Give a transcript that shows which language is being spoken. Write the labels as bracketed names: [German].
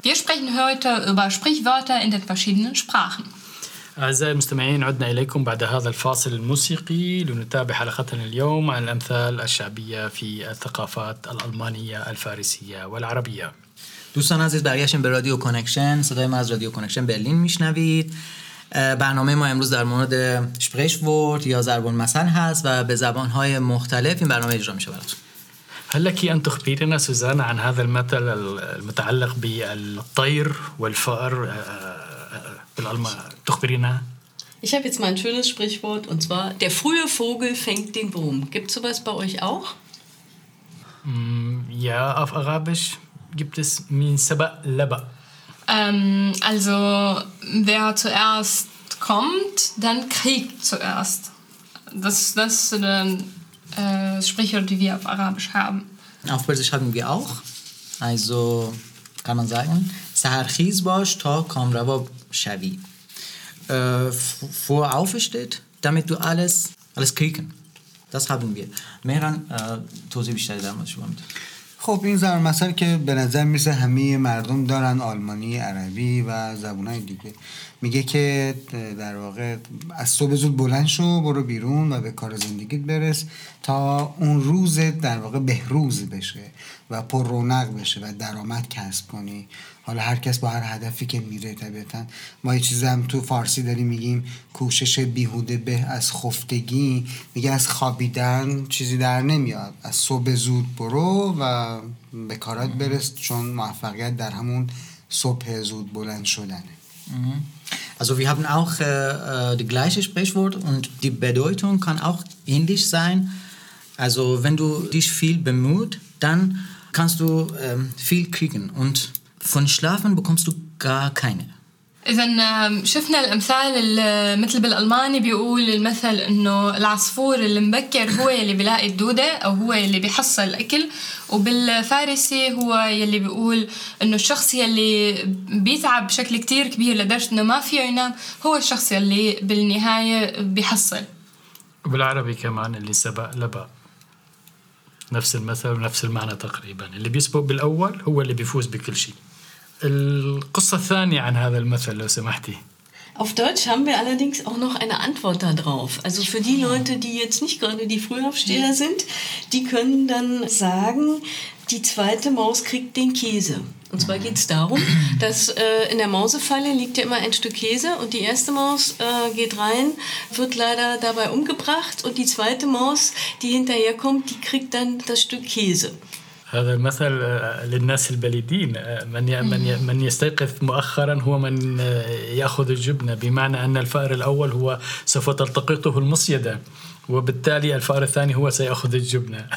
[German] Wir sprechen heute über Sprichwörter in den verschiedenen Sprachen. [Arabic] أعزائي المستمعين، عدنا إليكم بعد هذا الفاصل الموسيقي لنتابع حلقتنا اليوم عن الأمثال الشعبية في الثقافات الألمانية الفارسية والعربية. [Persian] دوستان عزیز، برگشتیم به رادیو کانکشن. صدای ما از رادیو کانکشن برلین میشنوید. برنامه ما امروز در مورد Sprichwort یا ضرب المثل هست و به زبان‌های مختلف این برنامه اجرا میشه براتون. [Arabic] هل لك أن تخبرنا سوزان عن هذا المثل المتعلق بالطير والفأر بالألمان؟ تخبرينا؟ [German] Ich habe jetzt mal ein schönes Sprichwort und zwar der frühe Vogel fängt den Wurm. Gibt es sowas bei euch auch? Ja, auf Arabisch gibt es [Arabic] min sabah laba. [German] Also wer zuerst kommt, dann kriegt zuerst. Das ist dann Sprichwort, die wir auf Arabisch haben. Auf Persisch haben wir auch. Also kann man sagen: [Persian] Saharchis bosh ta kamrava shavi. [German] Vor aufsteht, damit du alles kriegen. Das haben wir. Mehran, [Persian] tosi bishtari dar mod shuma mit. خب این ضرب المثل که به نظر میرسه همه مردم دارن، آلمانی، عربی و زبونهای دیگه، میگه که در واقع از صبح زود بلند شو، برو بیرون و به کار زندگیت برس تا اون روز در واقع بهروز بشه و پر رونق بشه و درآمد کسب کنی. حالا هر کس با هر هدفی که میره، طبیعتا ما یه چیز هم تو فارسی داریم میگیم کوشش بیهوده به از خفتگی، میگه از خوابیدن چیزی در نمیاد، از صبح زود برو و به کارات برس، چون موفقیت در همون صبح زود بلند شدنه. [German] Also wir haben auch die gleiche Sprichwort und die Bedeutung kann auch ähnlich sein. Also wenn du dich viel bemüht, dann kannst du viel kriegen und von Schlafen bekommst du gar keine. [Arabic] إذن شفنا الأمثال مثل بالألماني بيقول المثل إنه العصفور اللي مبكر هو اللي بيلاقي الدودة أو هو اللي بيحصل الأكل، وبالفارسي هو يلي بيقول إنه الشخص يلي بيتعب بشكل كتير كبير لدرجة إنه ما فيه ينام هو الشخص يلي بالنهاية بيحصل. وبالعربي كمان اللي سبق لبق نفس المثل ونفس المعنى تقريبا، اللي بيسبق بالأول هو اللي بيفوز بكل شيء. القصة الثانية عن هذا المثل لو سمحتي. [German] Auf Deutsch haben wir allerdings auch noch eine Antwort darauf. Also für die Leute, die jetzt nicht gerade die Frühaufsteher sind, die können dann sagen, die zweite Maus kriegt den Käse. Und zwar geht es darum, dass in der Mausefalle liegt ja immer ein Stück Käse und die erste Maus geht rein, wird leider dabei umgebracht und die zweite Maus, die hinterherkommt, die kriegt dann das Stück Käse. [Arabic] هذا المثل للناس البليدين، من يستيقظ مؤخرا هو من يأخذ الجبنة، بمعنى أن الفأر الأول هو سوف تلتقطه المصيدة وبالتالي الفأر الثاني هو سيأخذ الجبنة.